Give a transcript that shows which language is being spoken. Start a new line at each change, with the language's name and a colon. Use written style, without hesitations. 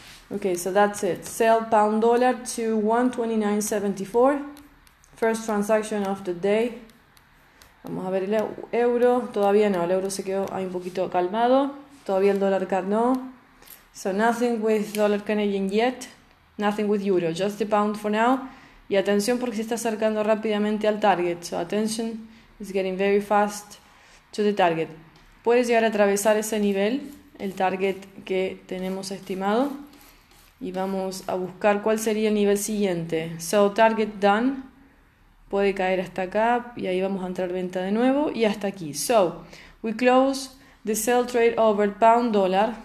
English: Okay, so that's it. Sell pound dollar to 129.74. First transaction of the day.
Spanish: Vamos a ver el euro. Todavía no, el euro se quedó ahí un poquito calmado. Todavía el dólar CAD no.
English: So nothing with dollar Canadian yet. Nothing with euro, just the pound for now.
Spanish: Y atención porque se está acercando rápidamente al target.
English: So attention, it's getting very fast to the target.
Spanish: Puedes llegar a atravesar ese nivel, el target que tenemos estimado. Y vamos a buscar cuál sería el nivel siguiente.
English: So target done.
Spanish: Puede caer hasta acá y ahí vamos a entrar venta de nuevo y hasta aquí.
English: So, we close the sell trade over pound dollar.